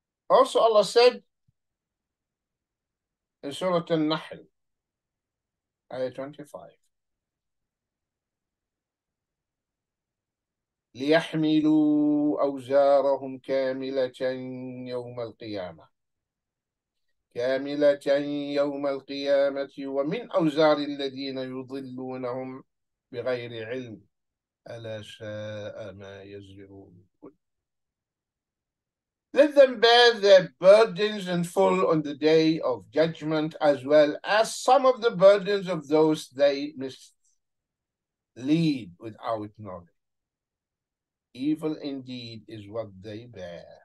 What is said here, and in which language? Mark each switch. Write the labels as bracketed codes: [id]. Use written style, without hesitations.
[en] Also, Allah said in Surah An-Nahl, ayah 25, [ar] ليحملوا أوزارهم كاملة يوم القيامة. كاملة يوم القيامة ومن أوزار الذين يضلونهم بغير علم ألا ساء ما يزرعون. [en] Let them bear their burdens in full on the day of judgment, as well as some of the burdens of those they missed lead without knowledge. Evil indeed is what they bear.